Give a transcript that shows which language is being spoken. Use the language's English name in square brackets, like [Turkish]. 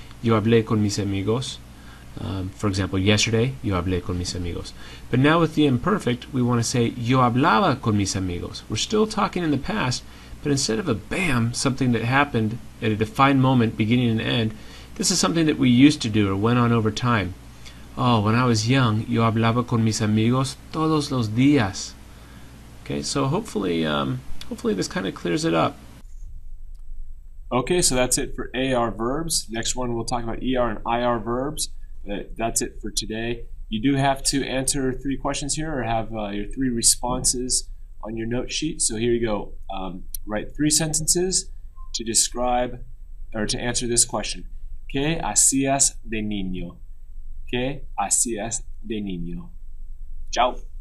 [Spanish] Yo hablé con mis amigos. [English] For example, yesterday, [Spanish] yo hablé con mis amigos. [English] But now with the imperfect, we want to say [Spanish] yo hablaba con mis amigos. [English] We're still talking in the past, but instead of a bam, something that happened at a defined moment, beginning and end, this is something that we used to do or went on over time. Oh, when I was young, [Spanish] yo hablaba con mis amigos todos los días. [English] Okay, so hopefully this kind of clears it up. Okay, so that's it for AR verbs. Next one, we'll talk about ER and IR verbs. That's it for today. You do have to answer three questions here or have your three responses on your note sheet. So here you go. Write three sentences to describe or to answer this question. [Spanish] ¿Qué hacías de niño? ¿Qué hacías de niño? Chao.